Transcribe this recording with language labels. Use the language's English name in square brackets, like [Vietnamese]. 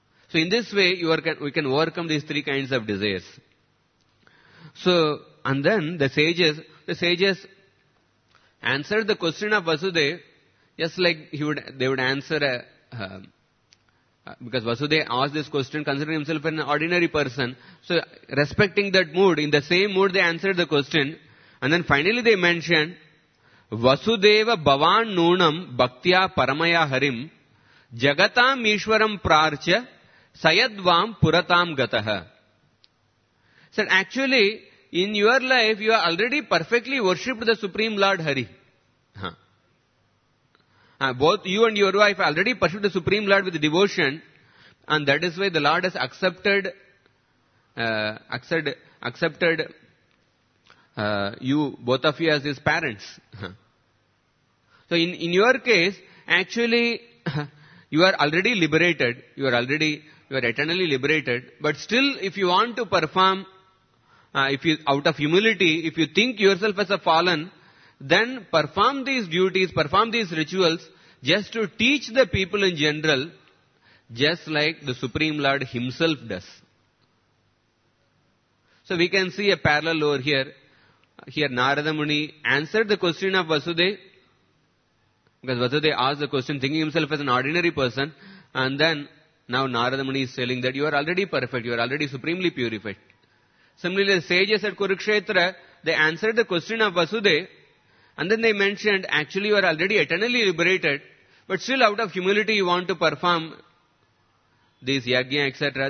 [English] So in this way, we can overcome these three kinds of desires. So, and then the sages answered the question of Vasudev, just like they would answer a because Vasudev asked this question considering himself an ordinary person. So respecting that mood, in the same mood they answered the question. And then finally they mentioned, [Sanskrit] Vasudeva భవాన్ నూనం భక్త్యా పరమయ హరిం జగతాం ఈశ్వరం ప్రార్చ సయద్వాం పురతాం గతః. [English] Sir actually in your life you are already perfectly worshipped the supreme lord Hari. Both you and your wife already perfect the supreme lord with devotion and that is why the lord has accepted you both of you as his parents. So in your case actually you are already liberated you are eternally liberated but still if you want to perform if you out of humility if you think your self as a fallen then perform these duties perform these rituals just to teach the people in general just like the supreme lord himself does. So we can see a parallel over here. Here Narada Muni answered the question of Vasudeva, because Vasudeva asked the question thinking himself as an ordinary person, and then now Narada Muni is telling that you are already perfect, you are already supremely purified. Similarly, the sages at Kurukshetra, they answered the question of Vasudeva, and then they mentioned actually you are already eternally liberated, but still out of humility you want to perform these yajna etc.